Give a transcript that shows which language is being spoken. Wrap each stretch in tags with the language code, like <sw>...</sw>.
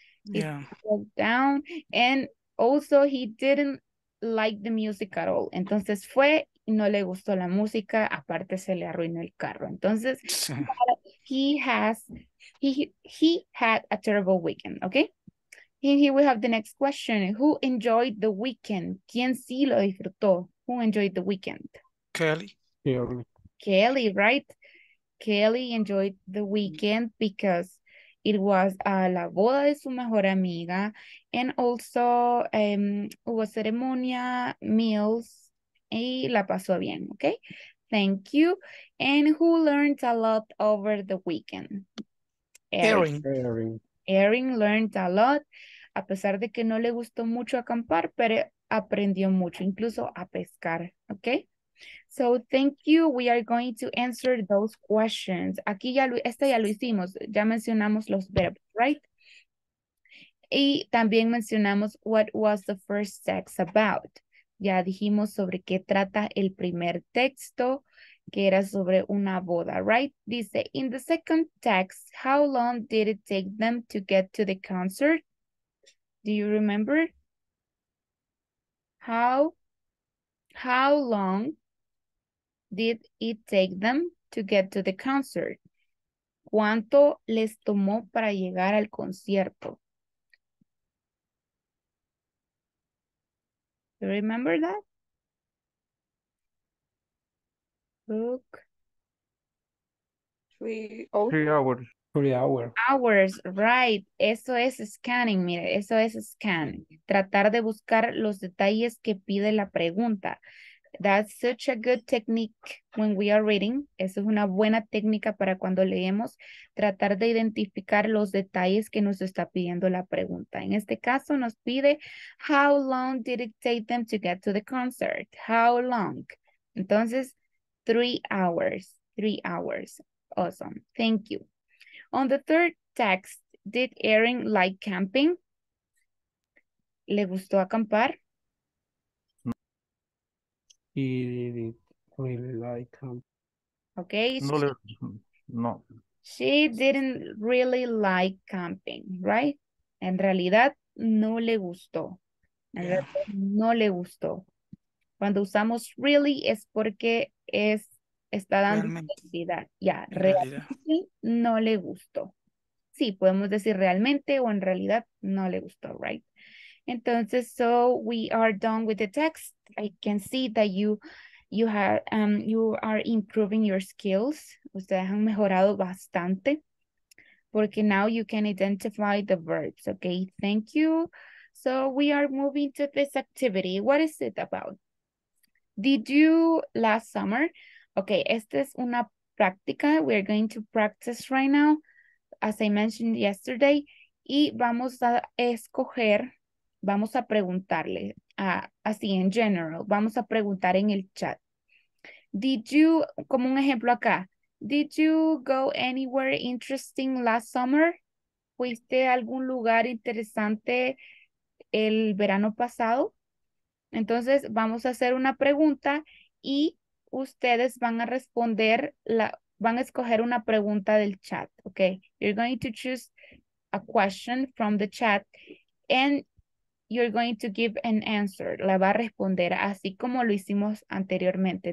<en>Broke down, and also he didn't like the music at all.</en> <es>Entonces fue y no le gustó la música, aparte se le arruinó el carro.</es> <en>Entonces, he had a terrible weekend, okay? Here we have the next question. Who enjoyed the weekend?</en> <es>¿Quién sí lo disfrutó?</es> <en>Who enjoyed the weekend? Kelly. Kelly, right? Kelly enjoyed the weekend because it was</en> <es>la boda de su mejor amiga.</es> <en>And also,</en> <es>hubo ceremonia, meals, y la pasó bien, okay?</es> <en>Thank you. And who learned a lot over the weekend? Erin learned a lot.</en> <es>A pesar de que no le gustó mucho acampar, pero aprendió mucho, incluso a pescar, okay?</es> <en>So, thank you. We are going to answer those questions.</en> <es>Aquí ya lo hicimos. Ya mencionamos los verbos, right? Y también mencionamos</es> <en>what was the first text about.</en> <es>Ya dijimos sobre qué trata el primer texto, que era sobre una boda, right?</es> <en>Dice, in the second text, how long did it take them to get to the concert? Do you remember? How long did it take them to get to the concert?</en> <es>¿Cuánto les tomó para llegar al concierto?</es> <en>Do you remember that? Look. 3 hours. 3 hours, right.</en> <es>Eso es scanning, mire, eso es scan. Tratar de buscar los detalles que pide la pregunta.</es> <en>That's such a good technique when we are reading.</en> <es>Eso es una buena técnica para cuando leemos. Tratar de identificar los detalles que nos está pidiendo la pregunta. En este caso nos pide,</es> <en>how long did it take them to get to the concert? How long? Entonces, 3 hours. 3 hours. Awesome. Thank you. On the third text, did Erin like camping?</en> <es>¿Le gustó acampar?</es> <en>He didn't really like camping. Okay. No. She didn't really like camping, right?</en> <es>En realidad, no le gustó. No le gustó. Cuando usamos really es porque es... Está dando necesidad. Ya, realmente no le gustó. Sí, podemos decir realmente o en realidad no le gustó, right?</es> <en>Entonces, so we are done with the text. I can see that you are improving your skills.</en> <es>Ustedes han mejorado bastante. Porque</es> <en>now you can identify the verbs. Okay, thank you. So we are moving to this activity. What is it about? Did you last summer? Okay,</en> <es>esta es una práctica.</es> <en>We are going to practice right now, as I mentioned yesterday.</en> <es>Y vamos a escoger, vamos a preguntarle, así en general, vamos a preguntar en el chat.</es> <en>Did you,</en> <es>como un ejemplo acá,</es> <en>did you go anywhere interesting last summer?</en> <es>¿Fuiste a algún lugar interesante el verano pasado? Entonces, vamos a hacer una pregunta y ustedes van a responder, van a escoger una pregunta del chat, okay?</es> <en>You're going to choose a question from the chat and you're going to give an answer.</en> <es>La va a responder así como lo hicimos anteriormente.</es>